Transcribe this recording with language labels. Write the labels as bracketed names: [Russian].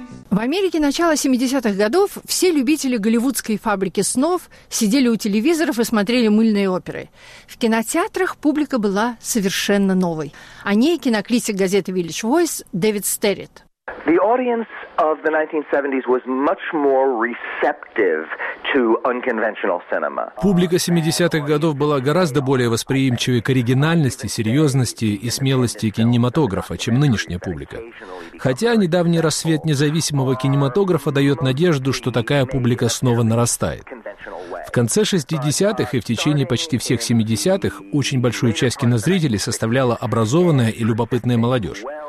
[Russian] В Америке начала 70-х годов все любители голливудской «Фабрики снов» сидели у телевизоров и смотрели мыльные оперы. В кинотеатрах публика была совершенно новой. О ней кинокритик газеты «Village Voice» Дэвид Стерритт. [English] The audience of the 1970s was much more receptive to unconventional cinema. [Russian] Публика 70-х годов была гораздо более восприимчивой к оригинальности, серьезности и смелости кинематографа, чем нынешняя публика. Хотя недавний рассвет независимого кинематографа дает надежду, что такая публика снова нарастает. В конце 60-х и в течение почти всех 70-х очень большую часть кинозрителей составляла образованная и любопытная молодежь.